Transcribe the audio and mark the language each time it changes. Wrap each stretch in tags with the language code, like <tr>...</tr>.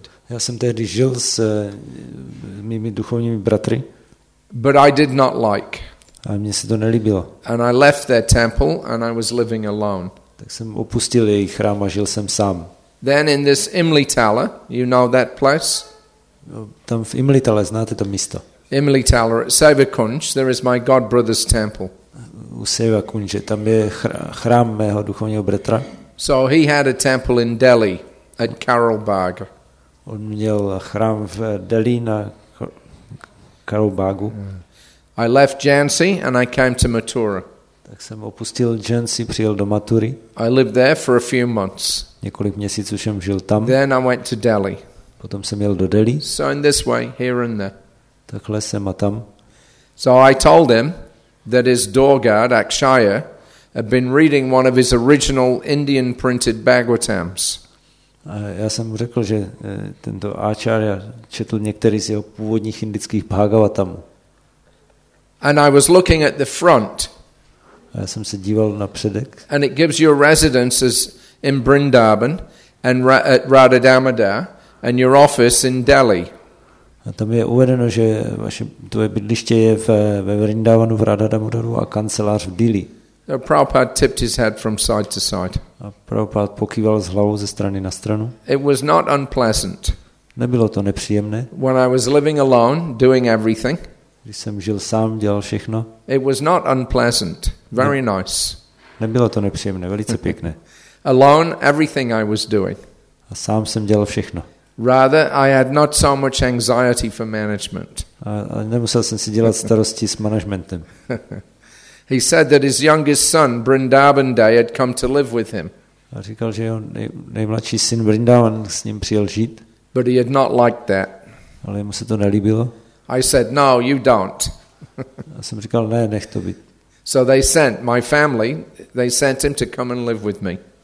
<cs>Já jsem tehdy žil s mými duchovními bratry.</cs> <en>But I did not like.</en> <cs>A mně se to nelíbilo.</cs> <en>And I left their temple and I was living alone.</en> <cs>Tak jsem opustil její chrám a žil jsem sám.</cs> <en>Then in this Imlitala, you know that place?</en> <cs>Tam v Imlitale, znáte to místo?</cs> <en>Imlitala at Sevakunj, there is my god brother's temple.</en> <cs>U Sevakunje, tam je chrám mého duchovního bratra.</cs> <en>So he had a temple in Delhi at Karolbagh.</en> <cs>On měl chrám v Delhi na Karolbagu.</cs> <en>I left Jhansi and I came to Mathura.</en> <cs>Tak jsem opustil Jhansi, přijel do Mathury.</cs> <en>I lived there for a few months.</en> <cs>Několik měsíců jsem žil tam.</cs> <en>Then I went to Delhi.</en> <cs>Potom jsem jel do Delhi.</cs> <en>So in this way, here and there.</en> <cs>Takhle jsem a tam.</cs> <en>So I told him that his door guard, Akshaya, had been reading one of his original Indian printed Bhagavatams.</en> <cs>Já jsem mu řekl, že tento Acharya četl některý z jeho původních indických Bhagavatamů.</cs> <en>And I was looking at the front.</en> <cs>Já jsem se díval na předek.</cs> <en>And it gives your residence as in Vrindavan and at Radha Damoda and your office in Delhi.</en> <cs>A tam je uvedeno, že vaše tvoje bydliště je ve Vrindavanu v Radha Damodaru a kancelář v Delhi.</cs> <en>A Prabhupada tipped his head from side to side.</en> <cs>A Prabhupada pokýval s hlavou ze strany na stranu.</cs> <en>It was not unpleasant.</en> <cs>Nebylo to nepříjemné.</cs> <en>When I was living alone, doing everything.</en> <cs>Když jsem žil sám, dělal všechno.</cs> <en>It was not unpleasant. Very nice.</en> <cs>Nebylo to nepříjemné, velice pěkné.</cs> <en>Alone, everything I was doing.</en> <cs>A sám jsem dělal všechno.</cs> <en>Rather, I had not so much anxiety for management.</en> <cs>A nemusel jsem si dělat starosti s managementem.</cs> <en>He said that his youngest son, Vrindavan Day, had come to live with him.</en> <cs>A říkal, že jeho nejmladší syn Vrindavan s ním přijel žít.</cs> <en>But he had not liked that.</en> <cs>Ale mu se to nelíbilo.</cs> <en>I said, no, you don't.</en> <cs>A jsem říkal, ne, nech to být.</cs> <en>So they sent my family, they sent him to come and live with me.</en>